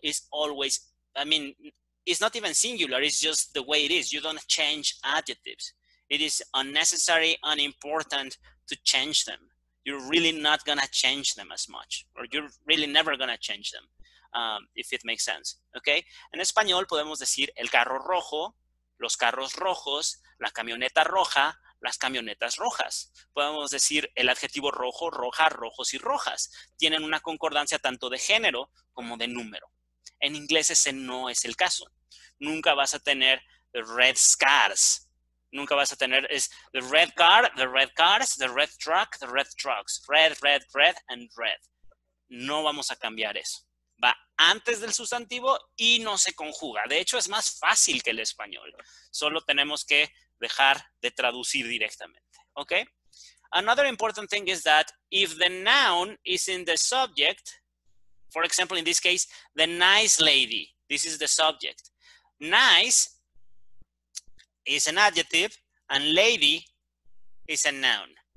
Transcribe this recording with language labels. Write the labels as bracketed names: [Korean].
[English] It's always, it's not even singular. It's just the way it is. You don't change adjectives. It is unnecessary, unimportant to change them. You're really not gonna change them as much, or you're really never gonna change them, if it makes sense, okay? [Spanish] En español podemos decir el carro rojo, los carros rojos, la camioneta roja, las camionetas rojas. Podemos decir el adjetivo rojo, roja, rojos y rojas. Tienen una concordancia tanto de género como de número. En inglés ese no es el caso. Nunca vas a tener [English] red cars. [Spanish] Nunca vas a tener, es [English] the red car, the red cars, the red truck, the red trucks. Red, red, red, and red. [Spanish] No vamos a cambiar eso. Va antes del sustantivo y no se conjuga. De hecho, es más fácil que el español. Solo tenemos que dejar de traducir directamente. Okay? [English] Another important thing is that if the noun is in the subject, for example, in this case, the nice lady. This is the subject. Nice is an adjective, and lady is a noun.